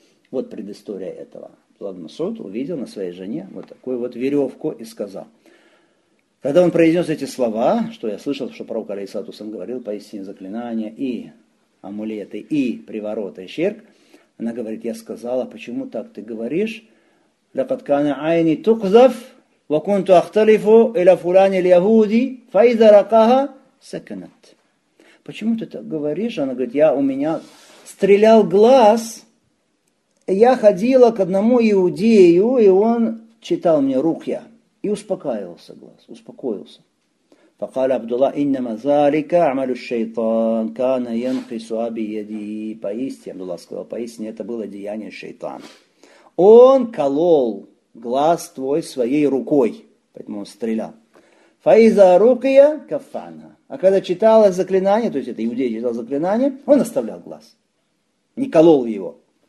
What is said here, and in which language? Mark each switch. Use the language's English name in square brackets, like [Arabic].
[Russian] Вот предыстория этого. Абдулла ибн Масуд увидел на своей жене вот такую вот веревку и сказал. Когда он произнес эти слова, что я слышал, что пророк алейхиссалату вассалям говорил, поистине заклинания и амулеты, и привороты ширк, она говорит, я сказала, почему так ты говоришь? [Arabic] لقد كان عيني تقذف وكنت اختلف الى فلان اليهودي فاذا رقاها سكنت. [Russian] Почему ты так говоришь? Она говорит, у меня стрелял глаз, я ходила к одному иудею, и он читал мне рухья, и успокаивался глаз, успокоился. [Arabic] فقال عبد الله انما ذلك عمل الشيطان كان ينقص بيدي. [Russian] Поистине, Абдулла сказал, поистине это было деяние шайтана. Он колол глаз твой своей рукой, поэтому он стрелял. Фаиза рукия кафана. А когда читал заклинание, то есть это иудей читал заклинание, он оставлял глаз, не колол его.